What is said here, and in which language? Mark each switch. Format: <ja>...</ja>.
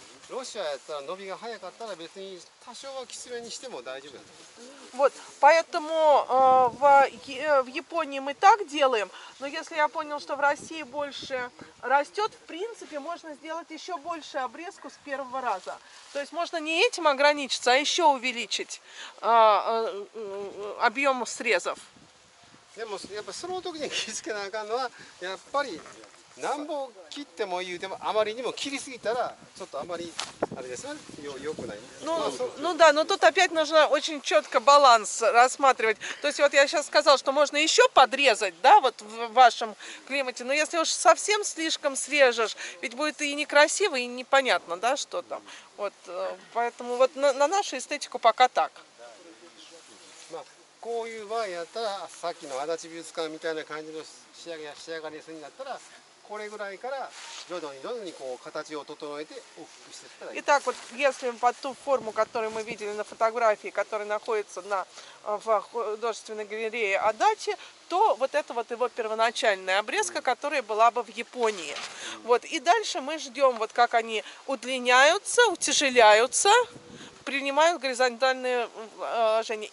<ja>ロシアやったら伸びが早かったら別に多少はきつめにしても大丈夫だ。</ja> <ru>Вот, поэтому в Японии мы так делаем. Но если я понял, что в России больше растет, в принципе, можно сделать еще больше обрезку с первого раза. То есть можно не этим ограничиться, а еще увеличить объем срезов.</ru> <ja>でもやっぱその時に気付けなあかんのはやっぱり何本切っても言うてもあまりにも切りすぎたらちょっとあまりあれですね、よくない。</ja> <ru>Ну да, но тут опять нужно очень четко баланс рассматривать. То есть вот я сейчас сказал, что можно еще подрезать, да, вот в вашем климате. Но если уж совсем слишком срежешь, ведь будет и некрасиво, и непонятно, да, что там. Вот, поэтому вот на нашу эстетику пока так.</ru> <ja>こういう場合やったら、さっきの足立美術館みたいな感じの仕上がりするんだったら、これぐらいから徐々にこう形を整えて大きくしていったらいい。</ja> <ru>Итак, вот если под ту форму, которую мы видели на фотографии, которая находится в художественной галерее Адачи, то вот это вот его первоначальная обрезка, которая была бы в Японии. Вот, и дальше мы ждем, вот как они удлиняются, утяжеляются, принимают горизонтальные вложения.</ru>